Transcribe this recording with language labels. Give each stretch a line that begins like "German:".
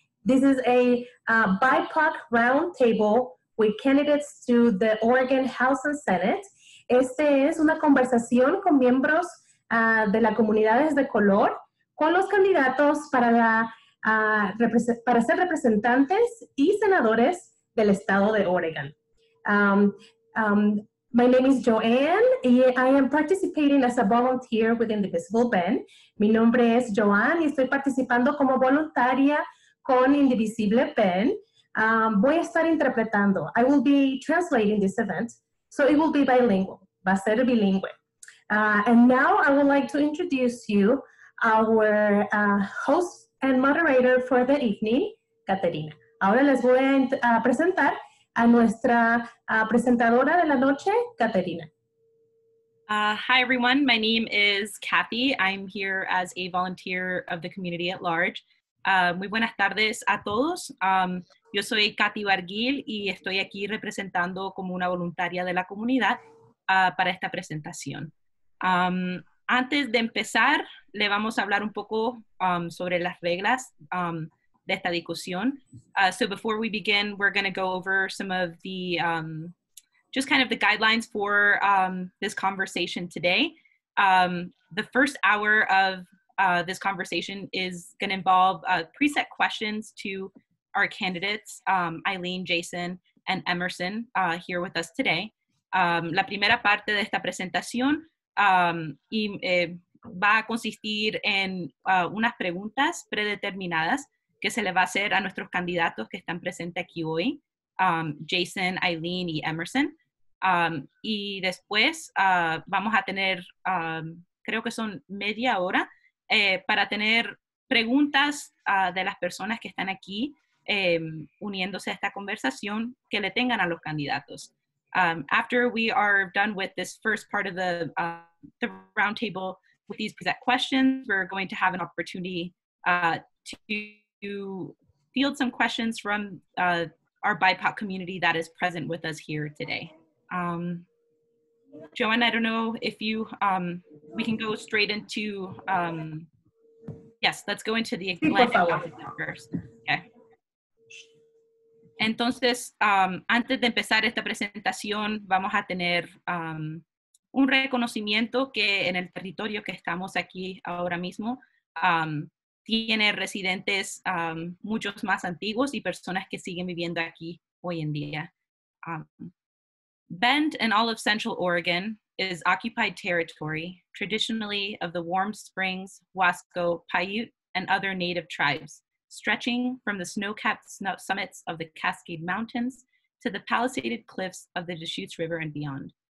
English: This is a BIPOC roundtable with candidates to the Oregon House and Senate.
Spanish: Este es una conversación con miembros de las comunidades de color con los candidatos para, la, para ser representantes y senadores del estado de Oregon.
English: My name is Joanne, and I am participating as a volunteer with Indivisible Ben.
Spanish: Mi nombre es Joanne, y estoy participando como voluntaria con Indivisible Ben. Voy a estar interpretando.
English: I will be translating this event, so it will be bilingual.
Spanish: Va a ser bilingüe.
English: And now I would like to introduce you our host and moderator for the evening, Caterina.
Spanish: Ahora les voy a presentar a nuestra presentadora de la noche, Caterina.
English: Hi, everyone. My name is Kathy. I'm here as a volunteer of the community at large.
Spanish: Muy buenas tardes a todos. Yo soy Kathy Barguil y estoy aquí representando como una voluntaria de la comunidad para esta presentación. Antes de empezar, le vamos a hablar un poco sobre las reglas de esta discusión.
English: So before we begin, we're going to go over some of the, just kind of the guidelines for this conversation today. The first hour of this conversation is going to involve preset questions to our candidates, Eileen, Jason, and Emerson here with us today.
Spanish: La primera parte de esta presentación va a consistir en unas preguntas predeterminadas que se le va a hacer a nuestros candidatos que están presentes aquí hoy, Jason, Eileen y Emerson. Y después vamos a tener, creo que son media hora, para tener preguntas de las personas que están aquí uniéndose a esta conversación que le tengan a los candidatos.
English: After we are done with this first part of the roundtable with these preset questions, we're going to have an opportunity to field some questions from our BIPOC community that is present with us here today. Joanne, I don't know if you, we can go straight into, yes, let's go into the first. Okay.
Spanish: Entonces, antes de empezar esta presentación, vamos a tener un reconocimiento que en el territorio que estamos aquí ahora mismo, tiene residentes muchos más antiguos y personas que siguen viviendo aquí hoy en día.
English: Bend and all of Central Oregon is occupied territory, traditionally of the Warm Springs, Wasco, Paiute, and other native tribes, stretching from the snow-capped summits of the Cascade Mountains to the palisaded cliffs of the Deschutes River and beyond.